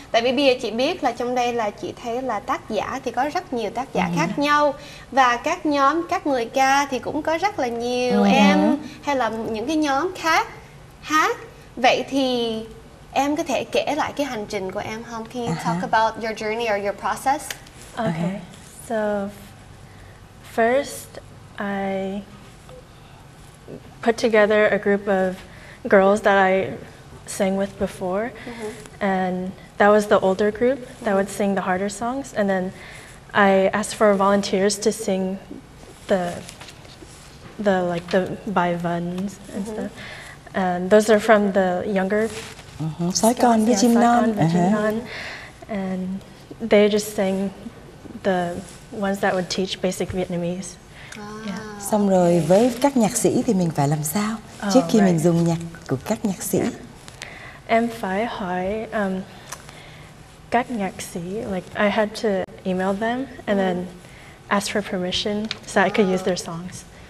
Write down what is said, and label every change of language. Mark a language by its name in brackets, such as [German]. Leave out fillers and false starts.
[Vietnamese] Tại vì bây giờ chị biết là trong đây là chị thấy là tác giả thì có rất nhiều tác giả khác nhau, và các nhóm, các người ca thì cũng có rất là nhiều em hay là những cái nhóm khác hát. Vậy thì em có thể kể lại cái hành trình của em không? [English] Can you talk about your journey or your process? Okay. So first, I put together a group of girls that I sang with before, and that was the older group that would sing the harder songs. And then I asked for volunteers to sing the like the Bai Vans and stuff. And those are from the younger. [Vietnamese] Sói con với chim non. [English] And they just sang the ones that would teach basic Vietnamese. [Vietnamese] Xong rồi với các nhạc sĩ thì mình phải làm sao trước khi mình dùng nhạc của các nhạc sĩ? Em phải hỏi các nhạc sĩ, [English] like I had to email them and then ask for permission so I could use their songs.